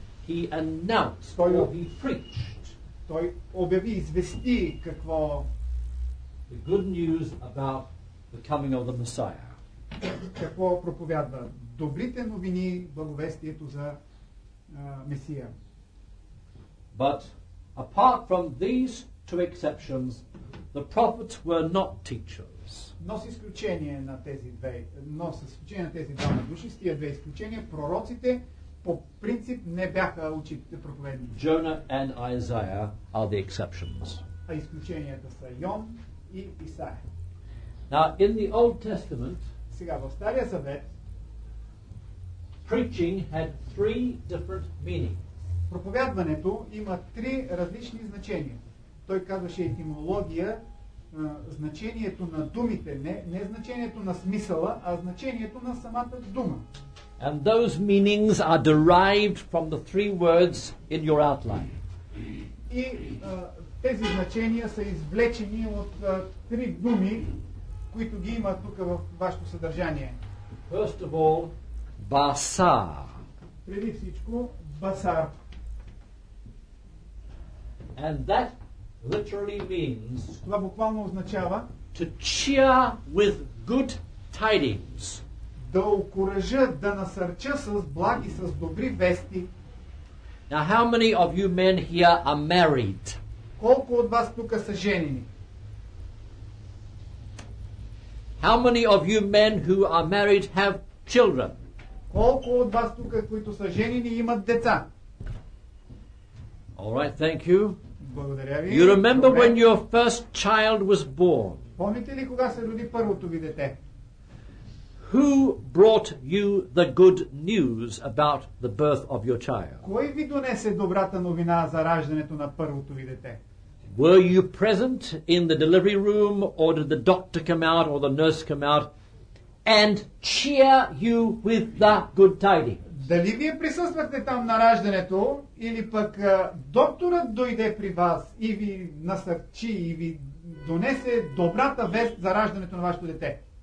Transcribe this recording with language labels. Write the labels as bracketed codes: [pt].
[en] He announced, or he preached. [bg] Той обяви, извести какво. [en] The good news about the coming of the Messiah. [bg] Какво проповядва? Добрите новини, благовестието за Месия. [en] But apart from these two exceptions, the prophets were not teachers. [bg] Но с изключение на тези две, с изключение на тези две изключения, пророците по принцип не бяха учителите проповедни. [en] Jonah and Isaiah are the exceptions. [bg] А изключенията са Йон и Исаия. [en] Now in the Old Testament, [bg] сега в Стария Завет, [en] preaching had three different meanings. [bg] Проповядването има три различни значения. Той казваше етимология, значението на думите, не значението на смисъла, а значението на самата дума. [en] And those meanings are derived from the three words in your outline. [bg] И тези значения са извлечени от три думи, които ги има тук в вашето съдържание. [en] First of all, басар. [bg] Преди всичко, басар. [en] And that literally means, [bg] това буквално означава, [en] to cheer with good tidings. [bg] Да окуража, да насърча с благи, с добри вести. [en] Now how many of you men here are married? [bg] Колко от вас тук са женени? [en] How many of you men who are married have children? [bg] Колко от вас тук, които са женени, имат деца? [en] All right, thank you. [bg] Благодаря ви. [en] You remember when your first child was born? [bg] Помните ли кога се роди първото ви дете? [en] Who brought you the good news about the birth of your child? [bg] Кой ви донесе добрата новина за раждането на първото ви дете? [en] Were you present in the delivery room, or did the doctor come out, or the nurse come out and cheer you with the good tidings? [bg] Дали вие присъствахте там на раждането, или пък докторът дойде при вас и ви насърчи и ви донесе добрата вест за раждането на вашето дете?